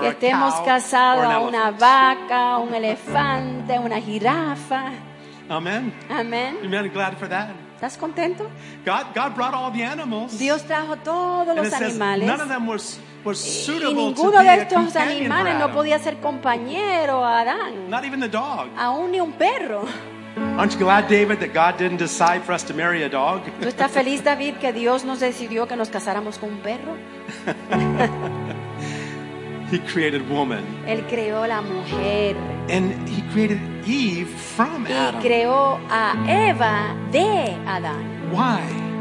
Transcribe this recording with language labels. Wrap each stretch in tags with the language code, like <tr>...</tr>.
<es>que estemos casados a una vaca, un elefante, una jirafa.</es> <en>Amen. Amen. Amen. Glad for that.</en> <es>¿Estás contento?</es> <en>God brought all the animals.</en> <es>Dios trajo todos los animales.</es> <en>None of them were suitable</en> <es>y ninguno</es> <en>to be</en> <es>de estos animales no podía ser compañero a Adán.</es> <en>Not even the dog.</en> <es>Aún ni un perro.</es> <en>Aren't you glad, David, that God didn't decide for us to marry a dog?</en> <es>¿Tú estás feliz, David, que Dios nos decidió que nos casáramos con un perro?</es> <en>He created woman.</en> <es>Él creó la mujer.</es> <en>And He created Eve from Adam.</en> <es>Y creó a Eva de Adán.</es> <en>Why?</en>